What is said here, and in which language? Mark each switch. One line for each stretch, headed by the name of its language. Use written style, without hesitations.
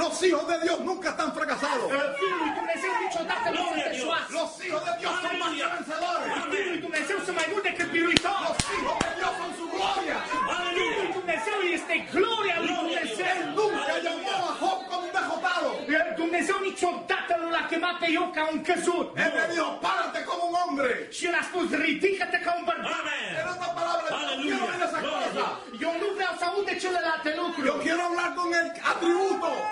Spanish: Los hijos de Dios nunca están fracasados.
Romanian: Fiul lui Dumnezeu niciodată nu este eșuat.
Spanish: Los hijos de Dios son más que vencedores.
Romanian: Fiul lui Dumnezeu sunt mai mult decât biruitor.
Spanish: Los hijos de Dios son su gloria.
Romanian: Fiul lui Dumnezeu este gloria lui Dumnezeu.
Spanish: Nunca llamó a Job como un dejotado.
Romanian: Dumnezeu niciodată nu l-a chemat pe Iov ca un căzut. El a zis,
Spanish: párate como un hombre.
Romanian: Și el a spus, ridică-te ca un bărbat. Amen.
Spanish: En otra palabra, Aleluia. Yo quiero hablar de esa cosa.
Romanian: Eu nu vreau să aud de celelalte lucruri.
Spanish: Yo quiero hablar con el atributo.